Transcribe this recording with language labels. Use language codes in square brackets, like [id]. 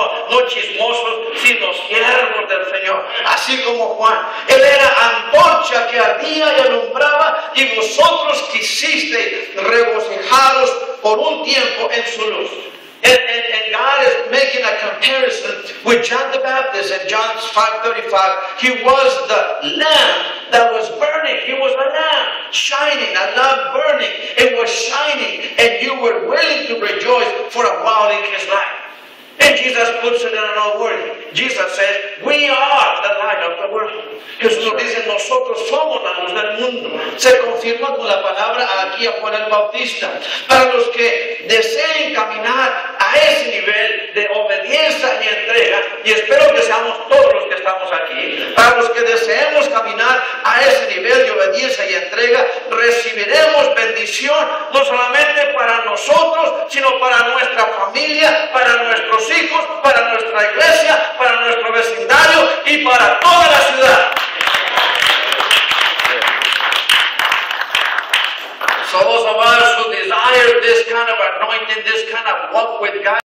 [es] No chismosos, sino siervos del Señor. Así como Juan. Él era antorcha que ardía y alumbraba, y vosotros quisiste regocijaros por un tiempo en su luz. [en] And God is making a comparison with John the Baptist in John 5:35. He was the lamb that was burning. He was a lamb shining, a lamb burning. It was shining, and you were willing to rejoice for a while in his life. And Jesus puts it in another word. Jesus says, we are the light of the world. [es] Jesús dice, nosotros somos la luz del mundo. Se confirma con la palabra aquí a Juan el Bautista. Para los que deseen caminar a ese nivel de obediencia y entrega, y espero que seamos todos los que estamos aquí, para los que deseemos caminar a ese nivel de obediencia y entrega, recibiremos bendición, no solamente para nosotros, sino para nuestra familia, para nuestros hijos, para nuestra iglesia, para nuestro vecindario y para toda la ciudad. [en] So those of us who desire this kind of anointing, this kind of walk with God.